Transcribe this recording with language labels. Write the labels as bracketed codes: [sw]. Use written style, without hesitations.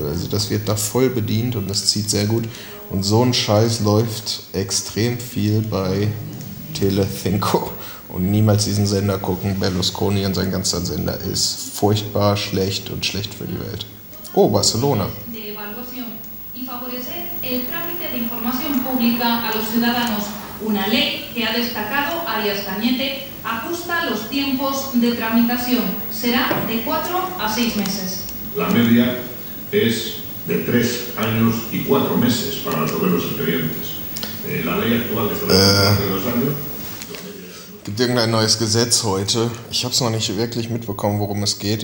[de] Also das wird da voll bedient und das zieht sehr gut. Und so ein Scheiß läuft extrem viel bei Telecinco. Und niemals diesen Sender gucken, Berlusconi und sein ganzer Sender ist furchtbar schlecht und schlecht für die Welt. [es] Oh, Barcelona. De evaluación y favorecer el trámite de información pública a los ciudadanos. Una ley que ha destacado Arias Cañete ajusta los tiempos de tramitación. Será de 4 a 6 meses. La media es de 3 años y 4 meses para resolver los expedientes. La ley actual es de 2 años. [de] Gibt irgendein neues Gesetz heute? Ich habe es noch nicht wirklich mitbekommen, worum es geht.